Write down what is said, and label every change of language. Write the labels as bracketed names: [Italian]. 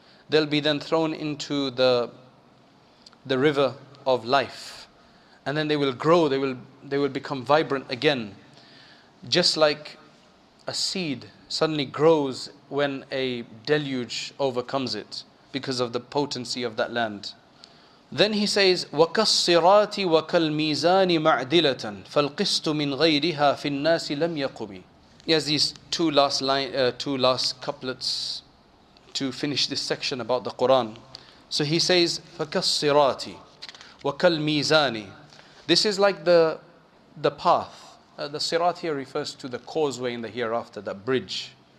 [English] They'll be then thrown into the river of life. And then they will grow, they will become vibrant again. Just like a seed suddenly grows when a deluge overcomes it because of the potency of that land. [Arabic] Then he says, وَكَالصِّرَاتِ وَكَالْمِيزَانِ مَعْدِلَةً فَالْقِسْتُ مِنْ غَيْرِهَا فِي النَّاسِ لَمْ يَقُمِ. [English] He has these two last couplets to finish this section about the Quran. [Arabic] So he says, فَكَالصِّرَاتِ وَكَالْمِيزَانِ. [English] This is like the path. The sirat here refers to the causeway in the hereafter, that bridge.